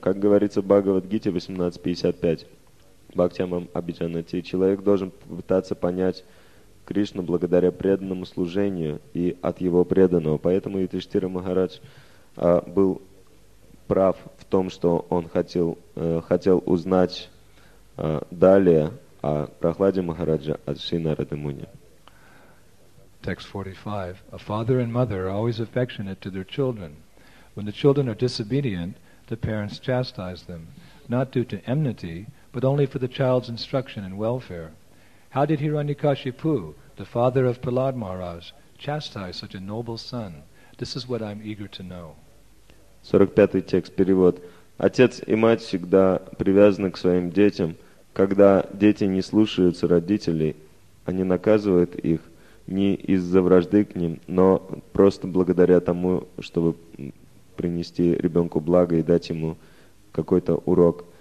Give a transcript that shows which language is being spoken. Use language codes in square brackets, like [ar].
[ru] Как говорится в Бхагавад-гите 18.55, Бхактямам Абиджанати, человек должен попытаться понять Кришну благодаря преданному служению и от его преданного. Поэтому Юдхиштхира Махарадж был прав в том, что он хотел узнать далее о Прахладе Махараджа от Шри Нарады Муни. [en] Text 45. A father and mother are always affectionate to their children. When the children are disobedient, the parents chastise them, not due to enmity, but only for the child's instruction and welfare. How did Hiranyakashipu, the father of Prahlad Maharaj, chastise such a noble son? This is what I'm eager to know. [ru] 45-й текст, перевод. Отец и мать всегда привязаны к своим детям. Когда дети не слушаются родителей, они наказывают их не из-за вражды к ним, но просто благодаря тому, чтобы принести ребенку благо и дать ему какой-то урок.